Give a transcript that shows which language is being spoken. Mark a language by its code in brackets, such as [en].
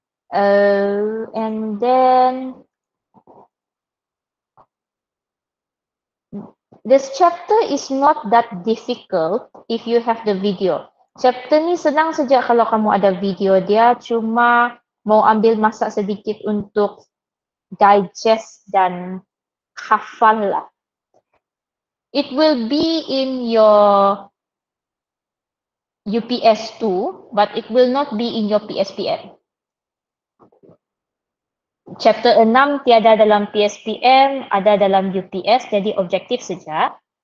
[en] And then this chapter is not that difficult if you have the video. [ms] Chapter ni senang saja kalau kamu ada video dia, cuma mau ambil masa sedikit untuk digest dan hafal lah. [en] It will be in your UPS2, but it will not be in your PSPM. [ms] Chapter 6 tiada dalam PSPM, ada dalam UPS, jadi objektif saja.